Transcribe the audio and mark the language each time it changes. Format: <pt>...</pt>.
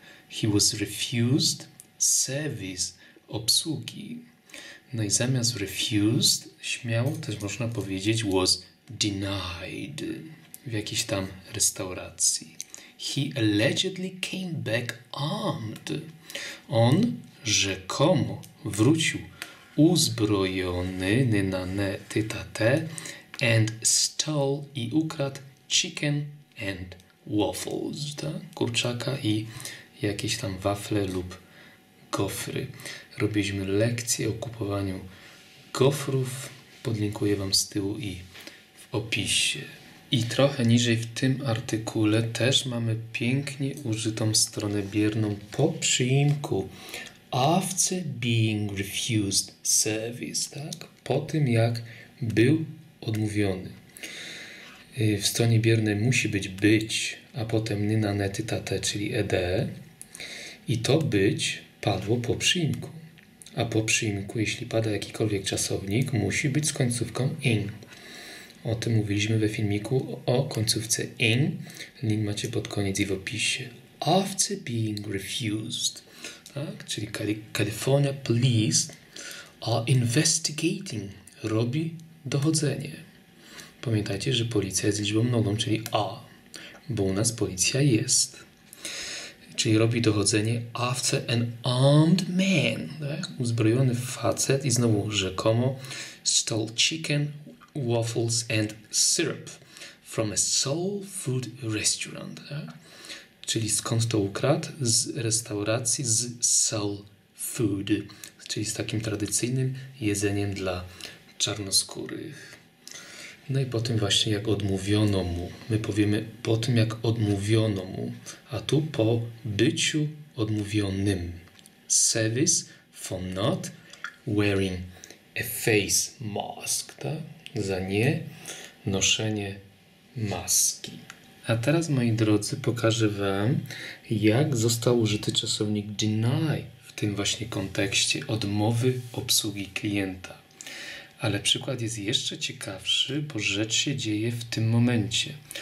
<en>He was refused service,</en> <pl>obsługi. No i zamiast refused, śmiało też można powiedzieć</pl> <en>was denied</en> <pl>w jakiejś tam restauracji.</pl> <en>He allegedly came back armed.</en> <pl>On rzekomo wrócił uzbrojony, nyna ne, tyta te,</pl> <en>and stole</en> <pl>i ukradł</pl> <en>chicken and waffles,</en> <pl>tak? Kurczaka i jakieś tam wafle lub gofry. Robiliśmy lekcję o kupowaniu gofrów, podlinkuję Wam z tyłu i w opisie. I trochę niżej w tym artykule też mamy pięknie użytą stronę bierną po przyimku.</pl> <en>After being refused service,</en> <pl>tak? Po tym jak był odmówiony. W stronie biernej musi być, a potem nyna ne tyta te, czyli ed. I to być padło po przyimku. A po przyimku, jeśli pada jakikolwiek czasownik, musi być z końcówką ing. O tym mówiliśmy we filmiku o końcówce ing. Link macie pod koniec i w opisie.</pl> <en>After being refused.</en> <pl>Tak? Czyli</pl> <en>California Police are investigating.</en> <pl>Robi dochodzenie. Pamiętajcie, że policja jest liczbą mnogą, czyli a, bo u nas policja jest. Czyli robi dochodzenie</pl> <en>after an armed man.</en> <pl>Tak? Uzbrojony facet i znowu rzekomo</pl> <en>stole chicken, waffles and syrup from a soul food restaurant.</en> <pl>Tak? Czyli skąd to ukradł? Z restauracji, z soul food. Czyli z takim tradycyjnym jedzeniem dla czarnoskórych. No i po tym właśnie jak odmówiono mu. My powiemy po tym jak odmówiono mu. A tu po byciu odmówionym.</pl> <en>Service for not wearing a face mask.</en> <pl>Tak? Za nie noszenie maski. A teraz, moi drodzy, pokażę Wam, jak został użyty czasownik deny w tym właśnie kontekście odmowy obsługi klienta. Ale przykład jest jeszcze ciekawszy, bo rzecz się dzieje w tym momencie.</pl>